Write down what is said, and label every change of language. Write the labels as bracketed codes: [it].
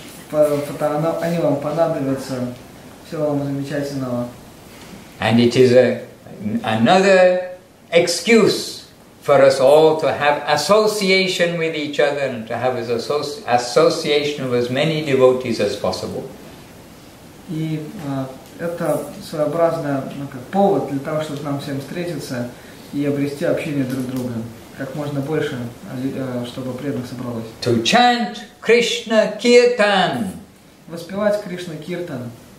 [ru] Они вам понадобятся. Всего вам замечательного. [en] And it is another excuse for us all to have association with each other and to have association of as many devotees as possible. [ru] И это своеобразный, ну, как повод для того, чтобы нам всем встретиться и обрести общение друг с другом. Как можно больше, чтобы преданных собралось. [en] To chant Krishna Kirtan. [ru] Воспевать Кришна Киртан.